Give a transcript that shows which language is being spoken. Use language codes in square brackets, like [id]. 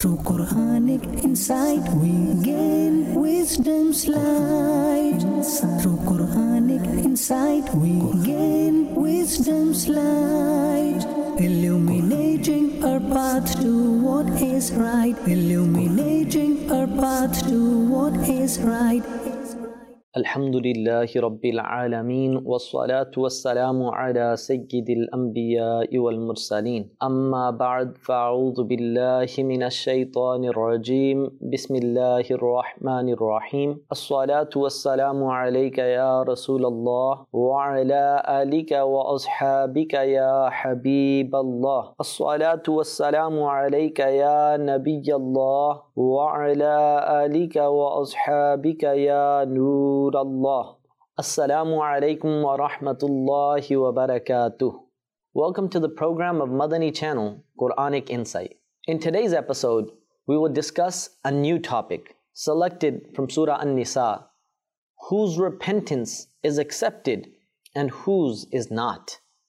[en] Through Quranic insight, we gain wisdom's light. Through Quranic insight, we gain wisdom's light. Illuminating our path to what is right. Illuminating our path to what is right. [ar] الحمد لله رب العالمين والصلاة والسلام على سيد الأنبياء والمرسلين أما بعد فأعوذ بالله من الشيطان الرجيم بسم الله الرحمن الرحيم الصلاة والسلام عليك يا رسول الله وعلى آلك وأصحابك يا حبيب الله الصلاة والسلام عليك يا نبي الله وعلى آلك وأصحابك يا نور Allah. Assalamu alaikum wa rahmatullahi wa barakatuh. [en] Welcome to the program of Madani Channel, Quranic Insight. In today's episode, we will discuss a new topic selected from Surah An-Nisa. Whose repentance is accepted and whose is not?